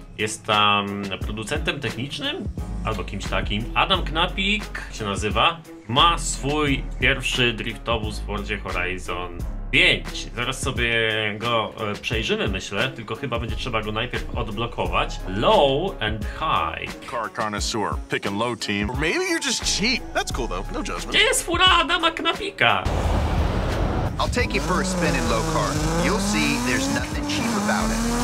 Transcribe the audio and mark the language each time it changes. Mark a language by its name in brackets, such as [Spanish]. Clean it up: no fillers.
[Polish] Jest tam producentem technicznym, albo kimś takim. Adam Knapik się nazywa. Ma swój pierwszy driftowóz w Fordzie Horizon 5. Zaraz sobie go przejrzymy, myślę, tylko chyba będzie trzeba go najpierw odblokować. [English] Low and high. Car connoisseur, pick and low team. Or maybe you're just cheap. That's cool though, no judgment. [Polish] Gdzie jest fura Adama Knapika? [English] I'll take you for a spin in low car. You'll see there's nothing cheap about it.